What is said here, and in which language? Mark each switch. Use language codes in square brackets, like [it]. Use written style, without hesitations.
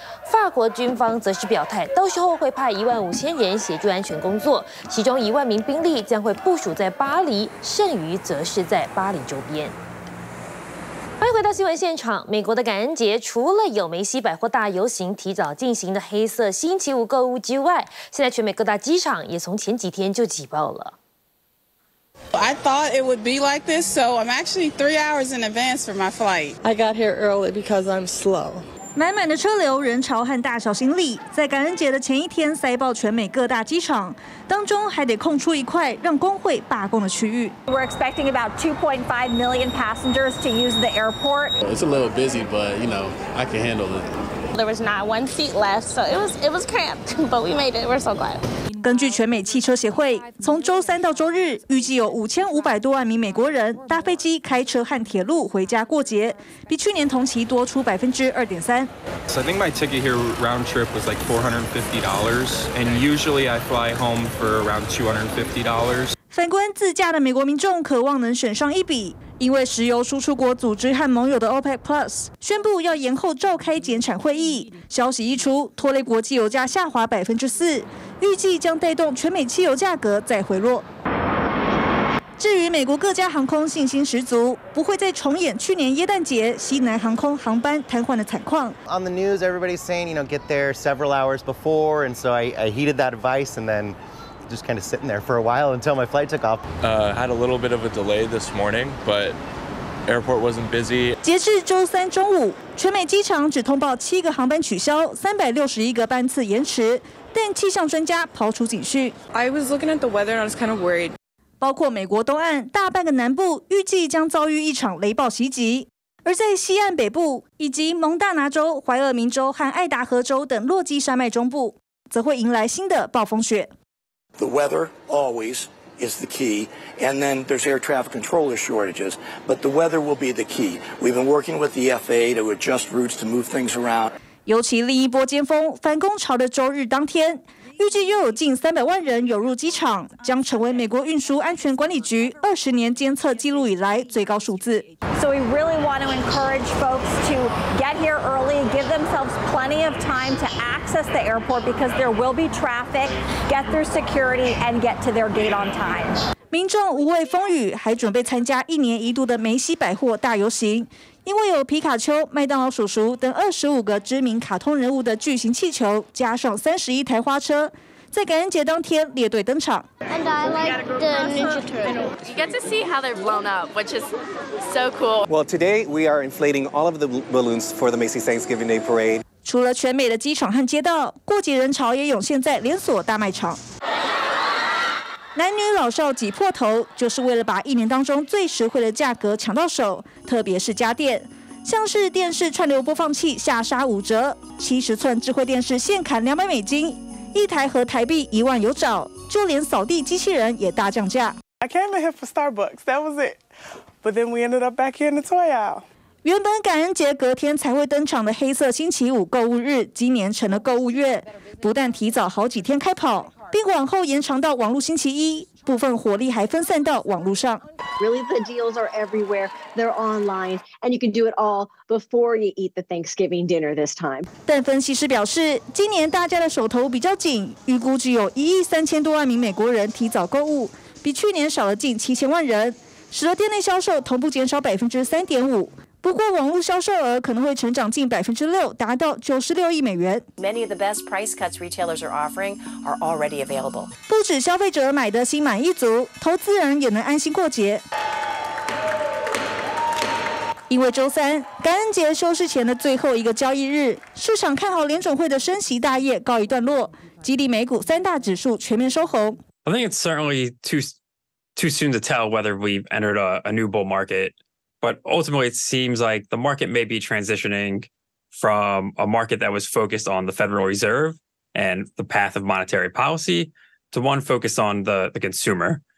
[zh] 法国军方则是表态，到时候会派15000人协助安全工作，其中10000名兵力将会部署在巴黎，剩余则是在巴黎周边。欢迎回到新闻现场。美国的感恩节除了有梅西百货大游行提早进行的黑色星期五购物之外，现在全美各大机场也从前几天就挤爆了。 [en] I thought it would be like this, so I'm actually 3 hours in advance for my flight. I got here early because I'm slow. [zh] 满满的车流、人潮和大小行李，在感恩节的前一天塞爆全美各大机场，当中还得空出一块让工会罢工的区域。 [en] We're expecting about 2.5 million passengers to use the airport. It's a little busy, but you know, I can handle it. There was not one seat left, so it was cramped, but we made it. We're so glad. [zh] 根据全美汽车协会，从周三到周日，预计有5500多万名美国人搭飞机、开车和铁路回家过节，比去年同期多出2.3%。 [en] So I think my ticket here round trip was like $450, and usually I fly home for around $250. [zh] 反观自驾的美国民众，渴望能省上一笔。因为石油输出国组织和盟友的 OPEC Plus 宣布要延后召开减产会议，消息一出，拖累国际油价下滑4%，预计将带动全美汽油价格再回落。至于美国各家航空信心十足，不会再重演去年耶诞节西南航空航班瘫痪的惨况。 [en] On the news, everybody's saying, you know, get there several hours before, and so I heeded that advice, and then just kind of sitting there for a while until my flight took off. Had a little bit of a delay this morning, but airport wasn't busy. [zh] 截至周三中午，全美机场只通报7个航班取消，361个班次延迟。但气象专家抛出警讯。 [en] I was looking at the weather, and I was kind of worried. [zh] 包括美国东岸大半个南部预计将遭遇一场雷暴袭击，而在西岸北部以及蒙大拿州、怀俄明州和爱达荷州等落基山脉中部，则会迎来新的暴风雪。 [en] The weather always is the key, and then there's air traffic controller shortages, but the weather will be the key. We've been working with the FAA to adjust routes to move things around. [zh] 尤其另一波尖峰反攻潮的周日当天。预计又有近300万人涌入机场，将成为美国运输安全管理局20年监测记录以来最高数字。 So we really want to encourage folks to get here early, give themselves plenty of time to access the airport because there will be traffic, get through security, and get to their gate on time. 民众无畏风雨，还准备参加一年一度的梅西百货大游行。因为有皮卡丘、麦当劳叔叔等25个知名卡通人物的巨型气球，加上31台花车，在感恩节当天列队登场。 [en] And I like the Ninja Turtles. You get to see how they're blown up, which is so cool. Well, today we are inflating all of the balloons for the Macy's Thanksgiving Day Parade. [zh] 除了全美的机场和街道，过节人潮也涌现在连锁大卖场。男女老少挤破头，就是为了把一年当中最实惠的价格抢到手，特别是家电，像是电视串流播放器下杀50%，70寸智慧电视现砍$200，一台和台币10000有找，就连扫地机器人也大降价。 [en] I came here for Starbucks, that was it. But then we ended up back here in the toy aisle. [zh] 原本感恩节隔天才会登场的黑色星期五购物日，今年成了购物月，不但提早好几天开跑。并往后延长到网络星期一，部分火力还分散到网络上。 [en] Really, the deals are everywhere. They're online, and you can do it all before you eat the Thanksgiving dinner this time. [zh] 但分析师表示，今年大家的手头比较紧，预估只有1.3亿美国人提早购物，比去年少了近7000万人，使得店内销售同步减少3.5%。不过，网络销售额可能会成长近6%，达到$96亿。 [en] Many of the best price cuts retailers are offering are already available. [zh] 不止消费者买得心满意足，投资人也能安心过节。因为周三，感恩节休市前的最后一个交易日，市场看好联准会的升息大业告一段落，激励美股三大指数全面收红。 [en] I think it's certainly too soon to tell whether we've entered a new bull market. But ultimately, it seems like the market may be transitioning from a market that was focused on the Federal Reserve and the path of monetary policy to one focused on the consumer.